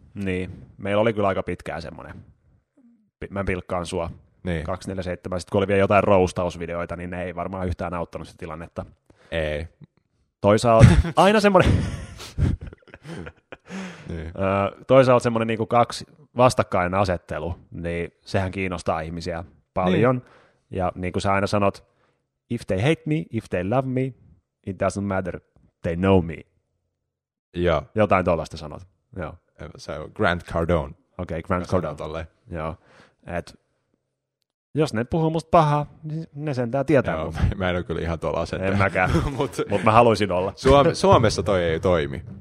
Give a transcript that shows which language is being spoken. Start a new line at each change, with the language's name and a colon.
Finnish: Niin, meillä oli kyllä aika pitkään semmoinen. Mä pilkkaan sua. Niin. 247. Sitten kun oli vielä jotain roustausvideoita, niin ne ei varmaan yhtään auttanut sitä tilannetta. Ei. Toisaalta aina semmoinen... Niin. Toisaalta semmoinen niin kuin kaksi vastakkainen asettelu, niin sehän kiinnostaa ihmisiä paljon. Niin. Ja niin kuin sä aina sanot,
English: if they hate me, if they love me, it doesn't matter, they know me.
Finnish: Joo. Jotain tuollaista sanot. Joo. Se on Grant Cardone. Okei, okay, Grant Cardone. Tolleen. Joo. Et, jos ne puhuu musta pahaa, niin ne sentään tietää. Joo, mä en ole kyllä ihan tuolla asentaja. En mäkään, mutta mä haluaisin olla. Suomessa toi ei toimi.